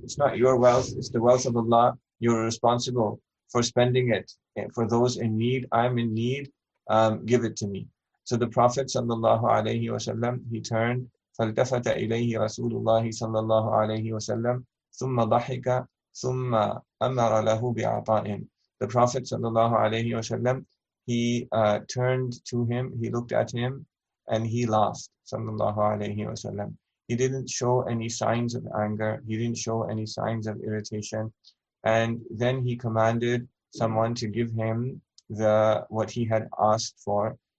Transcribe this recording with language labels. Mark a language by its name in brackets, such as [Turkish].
[English] It's not your wealth, it's the wealth of Allah. You're responsible for spending it for those in need. I'm in need, give it to me. So the Prophet sallallahu alayhi wa sallam, he turned, [Arabic] فَالْتَفَتَ إِلَيْهِ رَسُولُ اللَّهِ صَلَّى اللَّهُ عَلَيْهِ وَسَلَّمْ ثُمَّ ضَحِكَ ثُمَّ أَمَّرَ لَهُ بِعَطَائِنْ. [English] The Prophet sallallahu alayhi wa sallam, he turned to him, he looked at him, and he laughed, sallallahu alayhi wa sallam. He didn't show any signs of anger. He didn't show any signs of irritation. And then he commanded someone to give him what he had asked for.